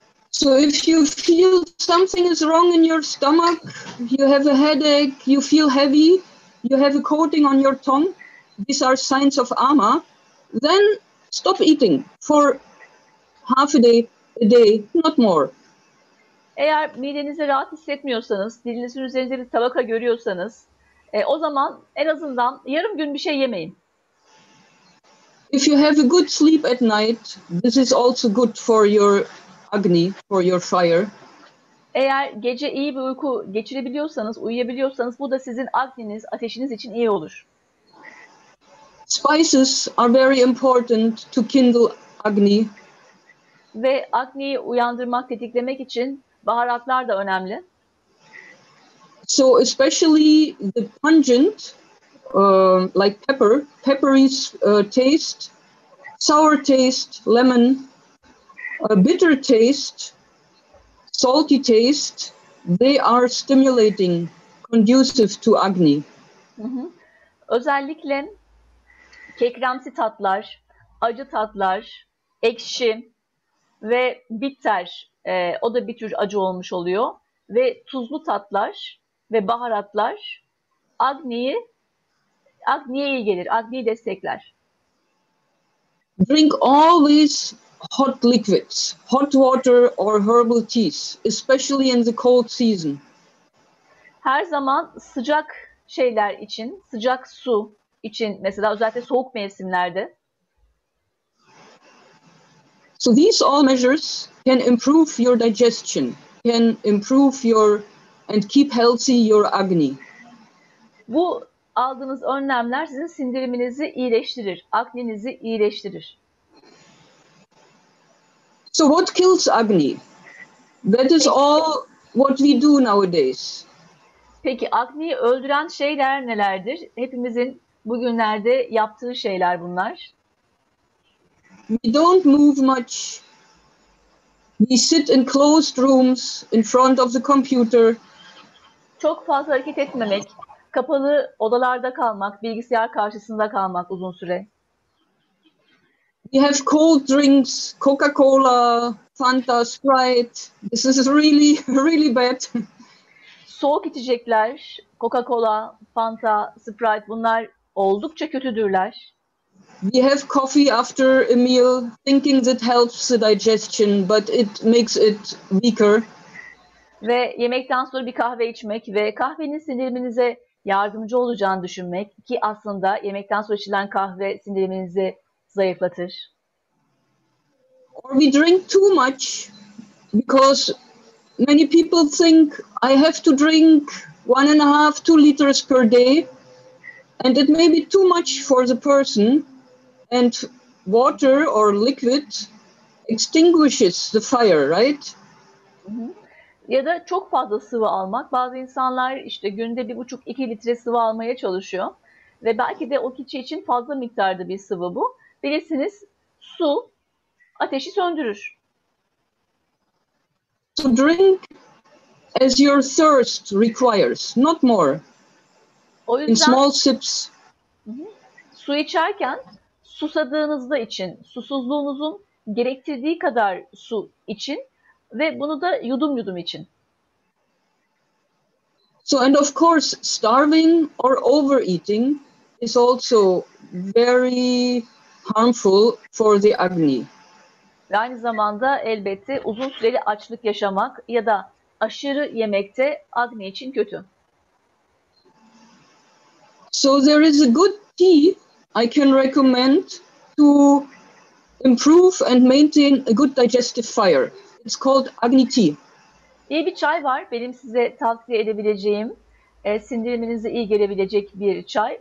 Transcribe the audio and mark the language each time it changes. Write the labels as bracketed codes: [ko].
[en] So if you feel something is wrong in your stomach, you have a headache, you feel heavy, you have a coating on your tongue, these are signs of ama, then stop eating for half a day, a day, not more. [tr] Eğer midenizi rahat hissetmiyorsanız, dilinizin üzerinde bir tabaka görüyorsanız, o zaman en azından yarım gün bir şey yemeyin. [en] If you have a good sleep at night, this is also good for your agni, for your fire. [tr] Eğer gece iyi bir uyku geçirebiliyorsanız, uyuyabiliyorsanız, bu da sizin agniniz, ateşiniz için iyi olur. [en] Spices are very important to kindle agni. [tr] Ve agniyi uyandırmak, tetiklemek için baharatlar da önemli. [en] So especially the pungent, like pepper, peppery taste, sour taste, lemon, bitter taste, salty taste, they are stimulating, conducive to agni. [tr] Özellikle kekremsi tatlar, acı tatlar, ekşi ve bitter, o da bir tür acı olmuş oluyor. Ve tuzlu tatlar ve baharatlar agniye iyi gelir, agniyi destekler. [en] Drink all these hot liquids, hot water or herbal teas, especially in the cold season. [tr] Her zaman sıcak şeyler için, sıcak su için, mesela özellikle soğuk mevsimlerde. [en] So these all measures can improve your digestion, can improve your and keep healthy your agni. [tr] Bu aldığınız önlemler sizin sindiriminizi iyileştirir, agninizi iyileştirir. [en] So what kills agni? That is all what we do nowadays. [tr] Peki agniyi öldüren şeyler nelerdir? Hepimizin bugünlerde yaptığı şeyler bunlar. [en] We don't move much. We sit in closed rooms in front of the computer. [tr] Çok fazla hareket etmemek, kapalı odalarda kalmak, bilgisayar karşısında kalmak uzun süre. [en] We have cold drinks, Coca-Cola, Fanta, Sprite. This is really, really bad. [tr] Soğuk içecekler, Coca-Cola, Fanta, Sprite, bunlar oldukça kötüdürler. [en] We have coffee after a meal, thinking that helps the digestion, but it makes it weaker. [tr] Ve yemekten sonra bir kahve içmek ve kahvenin sindiriminize yardımcı olacağını düşünmek, ki aslında yemekten sonra içilen kahve sindiriminizi zayıflatır. [en] Or we drink too much because many people think I have to drink 1.5-2 liters per day and it may be too much for the person, and water or liquid extinguishes the fire, right? [tr] Ya da çok fazla sıvı almak. Bazı insanlar işte günde 1.5-2 litre sıvı almaya çalışıyor. Ve belki de o kişi için fazla miktarda bir sıvı bu. Bilirsiniz, su ateşi söndürür. [en] So drink as your thirst requires, not more. [tr] O yüzden, [en] in small sips. [tr] Su içerken susadığınızda için, susuzluğunuzun gerektirdiği kadar su için ve bunu da yudum yudum için. [en] So and of course starving or overeating is also very harmful for the agni. [tr] Ve aynı zamanda elbette uzun süreli açlık yaşamak ya da aşırı yemek de agni için kötü. [en] So there is a good tea I can recommend to improve and maintain a good digestive fire. It's called agni tea. [tr] İyi bir çay var benim size tavsiye edebileceğim, sindiriminize iyi gelebilecek bir çay.